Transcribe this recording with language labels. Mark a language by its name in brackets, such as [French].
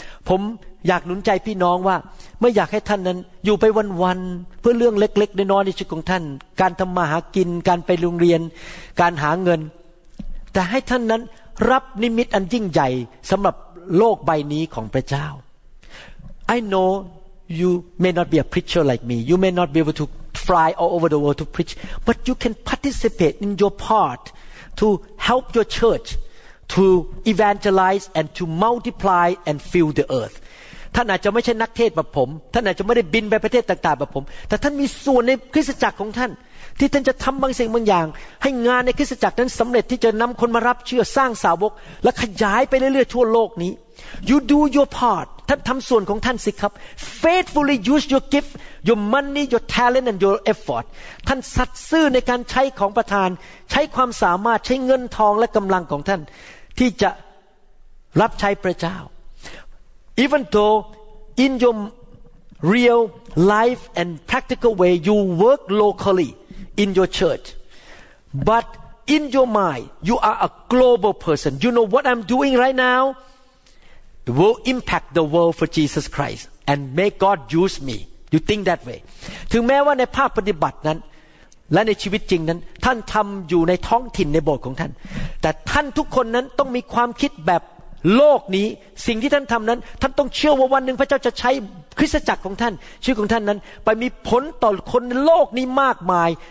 [Thai] ผมอยากหนุนใจพี่น้องว่าไม่อยากให้ท่านนั้นอยู่ไปวันๆเพื่อเรื่องเล็กๆน้อยๆในชีวิตของท่านการทำมาหากินการไปโรงเรียนการหาเงินแต่ให้ท่านนั้นรับนิมิตอันยิ่งใหญ่สำหรับโลกใบนี้ของพระเจ้า [English] I know you may not be a preacher like me. You may not be able to fly all over the world to preach, but you can participate in your part. To help your church, to evangelize and to multiply and fill the earth. [Thai] ท่านอาจจะไม่ใช่นักเทศแบบผมท่านอาจจะไม่ได้บินไปประเทศต่างๆแบบผมแต่ท่านมีส่วนในคริสตจักรของท่านที่ท่านจะทำบางสิ่งบางอย่างให้งานในคริสตจักรนั้นสำเร็จที่จะนำคนมารับเชื่อสร้างสาวกและขยายไปเรื่อยๆทั่วโลกนี้ [English] You do your part. [Thai] ท่านทำส่วนของท่านสิครับ [English] Faithfully use your gift, your money, your talent, and your effort. [Thai] ท่านสัตย์ซื่อในการใช้ของประทานใช้ความสามารถใช้เงินทองและกำลังของท่านที่จะรับใช้พระเจ้า [English] Even though in your real life and practical way you work locally. In your church, but in your mind, you are a global person. You know what I'm doing right now will impact the world for Jesus Christ, and may God use me. You think that way. [Thai] ถึงแม้ว่าในภาคปฏิบัตินั้นและในชีวิตจริงนั้นท่านทำอยู่ในท้องถิ่นในโบสถ์ของท่านแต่ท่านทุกคนนั้นต้องมีความคิดแบบโลกนี้สิ่งที่ท่านทำนั้นท่านต้องเชื่อว่าวันหนึ่งพระเจ้าจะใช้คริสตจักรของท่านชื่อของท่านนั้นไปมีผลต่อคนในโลกนี้มากมาย